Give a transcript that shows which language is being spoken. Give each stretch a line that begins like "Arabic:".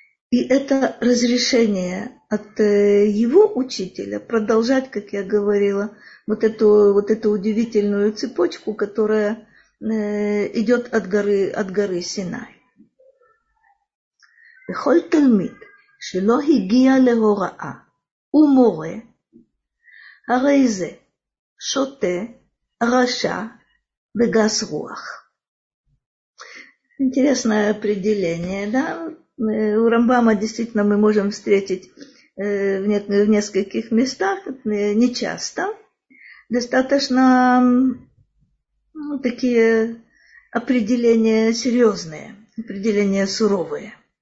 Russian: И это разрешение от его учителя продолжать, как я говорила, вот эту удивительную цепочку, которая идет от горы Синай.
Hebrew: בכל תלמיד שלא הגיע להוראה ומורה, הרי זה שוטה, רשע וגס רוח.
Russian: Интересное определение, да? У Рамбама действительно мы можем встретить в нескольких местах, не часто. Достаточно такие определения серьезные, определения суровые.